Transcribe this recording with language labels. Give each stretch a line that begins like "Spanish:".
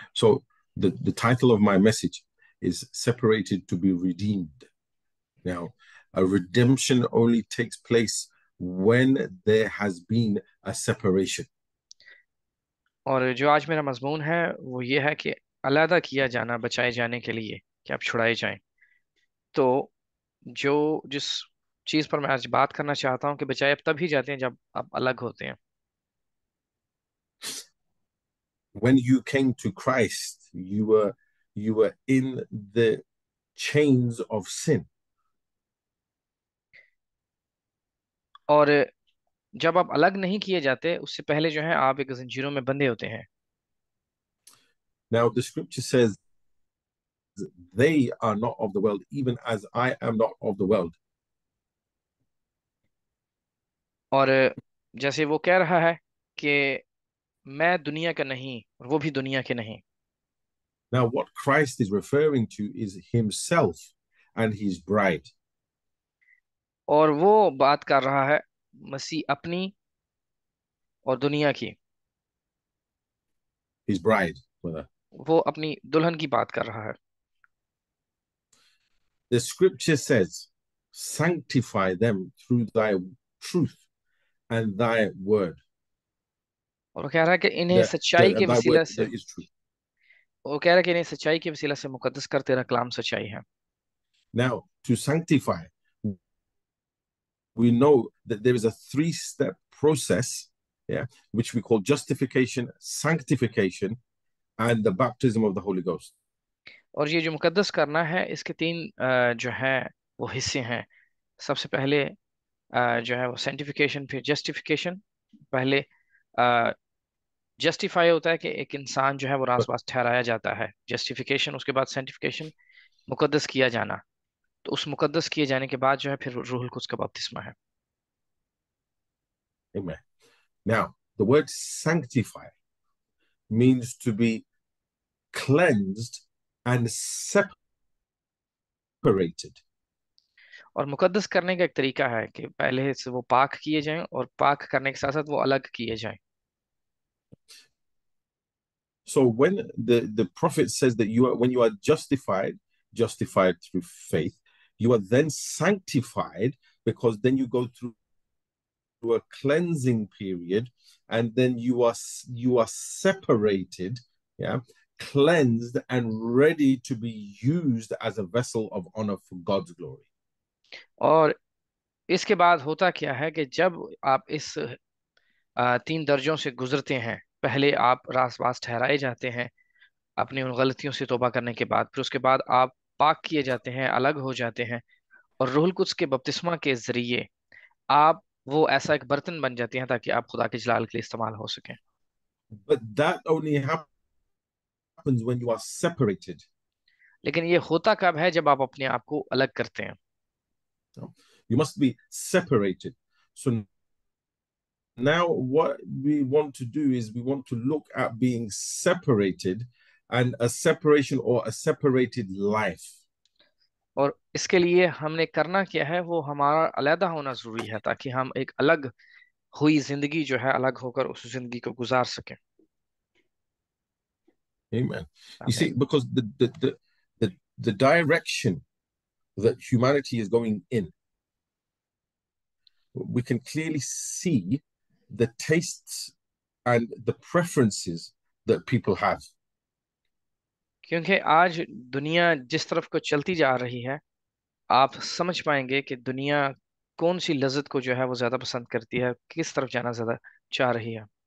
English: So the title of my message is Separated to be Redeemed. Now, a redemption only takes place when there has been a separation.
Hindi: और जो आज मेरा मजमून है वो ये है कि अलग किया जाना बचाए जाने के लिए कि आप छुड़ाए जाएं। तो जो जिस चीज पर मैं आज बात करना चाहता हूं कि बचाए अब तब ही जाते हैं जब आप अलग होते हैं।
English: When you came to Christ, you were in the chains of sin.
Hindi: और जब आप अलग नहीं किए जाते उससे पहले जो है आप एक जंजीरों में बंधे होते हैं।
English: Now the scripture says they are not of the world, even as I am not of the world.
Hindi: और जैसे वो कह रहा है कि मैं दुनिया का नहीं और वो भी दुनिया के नहीं।
English: Now, what Christ is referring to is himself and his bride.
Hindi: और वो बात कर रहा है मसीह अपनी और दुनिया की,
English: His bride, brother.
Hindi: वो अपनी दुल्हन की बात कर रहा है।
English: The scripture says, sanctify them through thy truth and thy word.
Hindi: और वो कह रहा है कि इन्हें
English: That
Hindi: सच्चाई के
English: thy word
Hindi: वसीला से,
English: that is true.
Hindi: वो कह रहा है कि इन्हें सच्चाई के वसीला से मुकद्दस कर, तेरा कलाम सच्चाई है।
English: Now, to sanctify, we know that there is a three-step process, yeah, which we call justification, sanctification, and the baptism of the Holy Ghost.
Hindi: और ये जो मुकद्दस करना है इसके तीन जो है वो हिस्से हैं। सबसे पहले जो है वो सेंटिफिकेशन, फिर जस्टिफिकेशन। पहले जस्टिफाई होता है कि एक इंसान जो है वो रास्तबास ठहराया जाता है, जस्टिफिकेशन। उसके बाद सेंटिफिकेशन, मुकद्दस किया जाना। तो उस मुकद्दस किए जाने के बाद जो है फिर रूहुल कुद्स का बपतिस्मा है।
English: Amen. Now, the word sanctify means to be cleansed and separated.
Hindi: और मुकद्दस करने का एक तरीका है कि पहले से वो पाक किए जाएं और पाक करने के साथ साथ वो अलग किए जाएं।
English: So when the prophet says that when you are justified through faith, you are then sanctified because then you go through a cleansing period, and then you are separated, yeah, cleansed and ready to be used as a vessel of honor for God's glory.
Hindi: और इसके बाद होता क्या है कि जब आप इस तीन दर्जों से गुजरते हैं, पहले आप रास्वास ठहराए जाते हैं अपनी उन गलतियों से तौबा करने के बाद, फिर उसके बाद आप पाक किए जाते हैं, अलग हो जाते हैं, और रूहुल कुद्स के बपतिस्मा के जरिए आप वो ऐसा एक बर्तन बन जाते हैं ताकि आप खुदा के जलाल के लिए इस्तेमाल हो सकें।
English: But that only happens when you are separated.
Hindi: लेकिन ये होता कब है? जब आप अपने आप को अलग करते हैं।
English: You must be separated. So now what we want to do is we want to look at being separated and a separation or a separated life.
Hindi: और इसके लिए हमने करना क्या है, वो हमारा अलग होना जरूरी है ताकि हम एक अलग हुई जिंदगी जो है अलग होकर उस जिंदगी को गुजार सकें।
English: Amen. You see, because the direction that humanity is going in, we can clearly see the tastes and the preferences that people have.
Hindi: क्योंकि आज दुनिया जिस तरफ को चलती जा रही है, आप समझ पाएंगे कि दुनिया कौन सी लज्जत को जो है वो ज्यादा पसंद करती है, किस तरफ जाना ज्यादा चाह रही है।